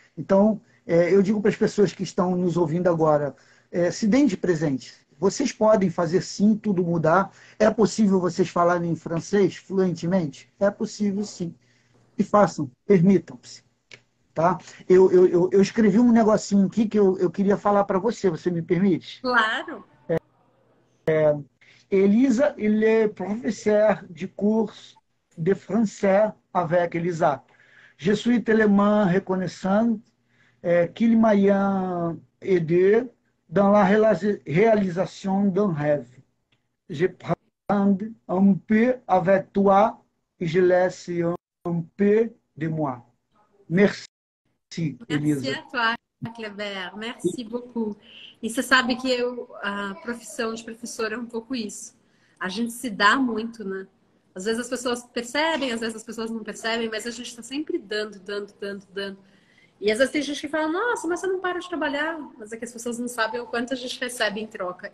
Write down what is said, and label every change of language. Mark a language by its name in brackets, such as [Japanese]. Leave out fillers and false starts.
[Portuguese] Então, eu digo para as pessoas que estão nos ouvindo agora, se deem de presente. Vocês podem fazer sim, tudo mudar. É possível vocês falarem em francês fluentemente? É possível sim. E façam, permitam-se. Tá? Eu escrevi um negocinho aqui que eu queria falar para você. Você me permite? Claro. [French] Elisa, il est professeur de curso de français avec Elisa. Je suis tellement reconnaissant. Qu'il m'a aidé dans la réalisation d'un rêve. Je prends un peu avec toi et je laisse un peu de moi. Merci, merci Elisa. Merci à toi, Kleber. Merci beaucoup. [Portuguese] E você sabe que eu, a profissão de professora é um pouco isso. A gente se dá muito, né? Às vezes as pessoas percebem, às vezes as pessoas não percebem, mas a gente está sempre dando, dando, dando, dando. E às vezes tem gente que fala, nossa, mas você não para de trabalhar. Mas é que as pessoas não sabem o quanto a gente recebe em troca.